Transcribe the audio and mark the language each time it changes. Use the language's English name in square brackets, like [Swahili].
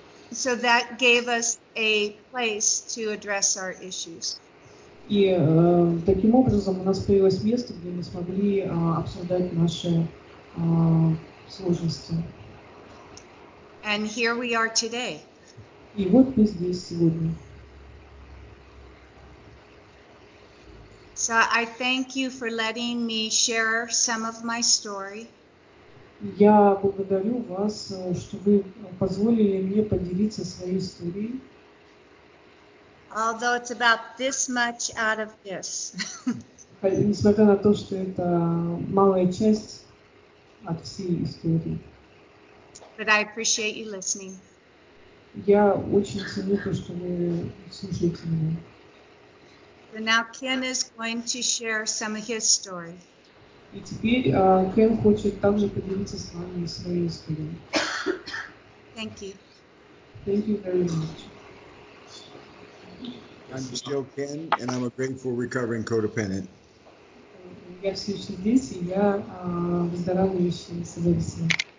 [English] So that gave us a place to address our issues. [Russian] И таким образом у нас появилось место, где мы смогли обсуждать наши сложности. [English] And here we are today. [Russian] И вот мы здесь сегодня. [English] So I thank you for letting me share some of my story. [Russian] Я благодарю вас, что вы позволили мне поделиться своей историей. [English] Although it's about this much out of this. [Russian] Несмотря на то, что это малая часть от всей истории. [English] But I appreciate you listening. [Russian] Я очень ценю то, что вы слушаете меня. [English] So now Ken is going to share some of his story. [Russian] И теперь Кен хочет также поделиться с вами своей историей. [English] Thank you. Thank you very much. I'm still Ken, and I'm a grateful recovering codependent. [Russian] Я все еще здесь, и я выздоравливающий созависимый.